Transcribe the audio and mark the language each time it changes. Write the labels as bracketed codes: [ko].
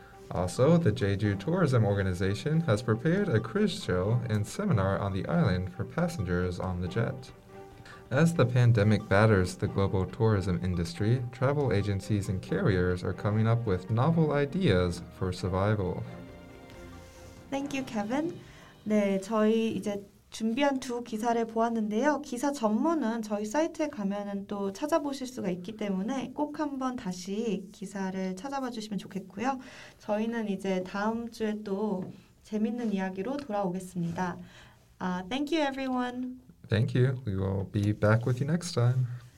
[en] Also, the Jeju Tourism Organization has prepared a quiz show and seminar on the island for passengers on the jet. As the pandemic batters the global tourism industry, travel agencies and carriers are coming up with novel ideas for survival. Thank you, Kevin. [ko] 네, 저희 이제 준비한 두 기사를 보았는데요. 기사 전문은 저희 사이트에 가면은 또 찾아보실 수가 있기 때문에 꼭 한번 다시 기사를 찾아봐 주시면 좋겠고요. 저희는 이제 다음 주에 또 재밌는 이야기로 돌아오겠습니다. [en] Thank you, everyone. Thank you. We will be back with you next time.